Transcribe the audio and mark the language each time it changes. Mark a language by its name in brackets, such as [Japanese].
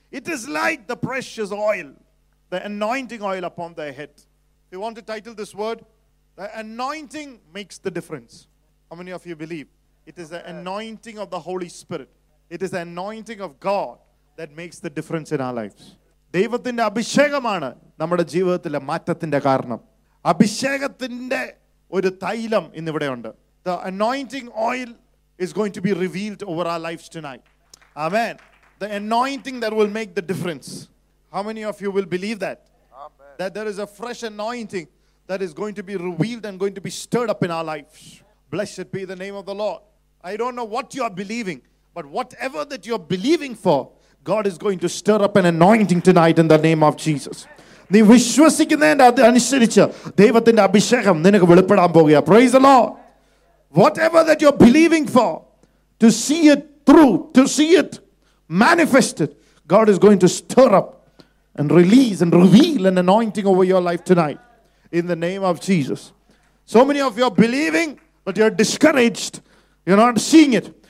[English] It is like the precious oil, the anointing oil upon their head. If you want to title this word, the anointing makes the difference. How many of you believe? It is the anointing of the Holy Spirit. It is the anointing of God that makes the difference in our lives. [Malayalam] ദൈവത്തിന്റെ അഭിഷേകമാണ് നമ്മുടെ ജീവിതത്തിലെ മാറ്റത്തിന്റെ കാരണം. അഭിഷേകത്തിന്റെ ഒരു തൈലം ഇന്നിവിടെ ഉണ്ട്. [English] The anointing oil is going to be revealed over our lives tonight. Amen. The anointing that will make the difference. How many of you will believe that? Amen. That there is a fresh anointing that is going to be revealed and going to be stirred up in our lives. Blessed be the name of the Lord. I don't know what you are believing, but whatever that you are believing for, God is going to stir up an anointing tonight in the name of Jesus. [Malayalam] നീ വിശ്വസിക്കുന്നതിന്റെ അനുസരിച്ച് ദൈവത്തിന്റെ അഭിഷേകം നിനക്ക് വെളിപ്പെടാൻ പോവുകയാ. [English] Praise the Lord. Whatever that you're believing for, to see it through, to see it manifested, God is going to stir up and release and reveal an anointing over your life tonight in the name of Jesus. So many of you are believing, but you're discouraged. You're not seeing it.